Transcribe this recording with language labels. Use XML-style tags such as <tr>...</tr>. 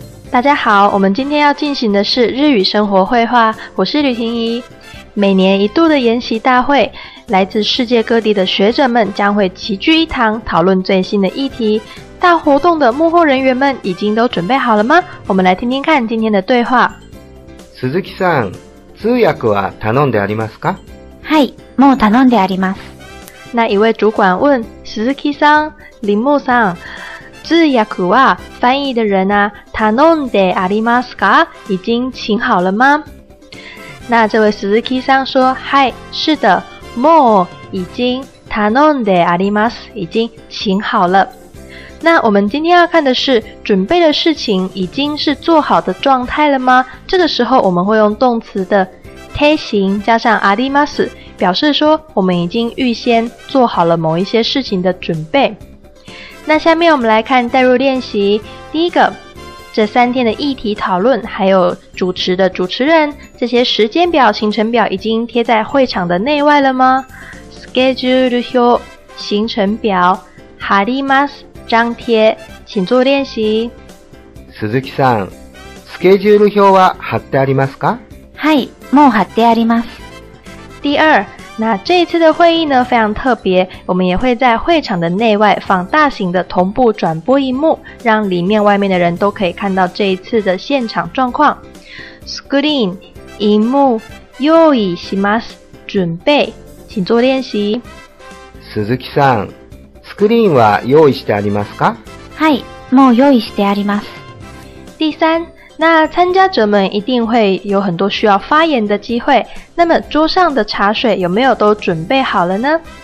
<zh>大家好，我们今天要进行的是日语生活绘画，我是吕婷宜。每年一度的研习大会，来自世界各地的学者们将会齐聚一堂，讨论最新的议题。大活动的幕后人员们已经都准备好了吗？我们来听听看今天的对话。</zh> <ja>鈴木さん、通訳は頼んでありますか？はい、もう頼んであります。</ja> <zh>那一位主管问</zh> <ja>鈴木さん、林木さん、通訳は</ja> <zh>翻译的人啊，</zh> <ja>頼んでありますか？</ja> <zh>已经请好了吗？那这位鈴木さん说，嗨，是的，</zh> <ja>もう</ja> <zh>已经</zh> <ja>頼んであります，</ja> <zh>已经请好了。那我们今天要看的是准备的事情已经是做好的状态了吗？这个时候我们会用动词的提醒加上あります，表示说我们已经预先做好了某一些事情的准备。那下面我们来看代入练习。第一个，这三天的议题讨论还有主持的主持人，这些时间表行程表已经贴在会场的内外了吗？</zh> <ja>スケジュール</ja> <zh>表行程表</zh> <ja>貼ります</ja> <zh>张贴，请做练习。</zh> <ja>鈴木さん、スケジュール表は貼ってありますか？はい、もう貼ってあります。</ja> <zh>第二，那这一次的会议呢非常特别，我们也会在会场的内外放大型的同步转播荧幕，让里面外面的人都可以看到这一次的现场状况。 Screen 荧幕</zh> <ja>用意します，</ja> <zh>准备，请做练习。</zh> <ja>鈴木さん。スクリーンは用意してありますか？はい、もう用意してあります。</ja> <zh>第三，那参加者们一定会有很多需要发言的机会。那么桌上的茶水有没有都准备好了呢？</zh>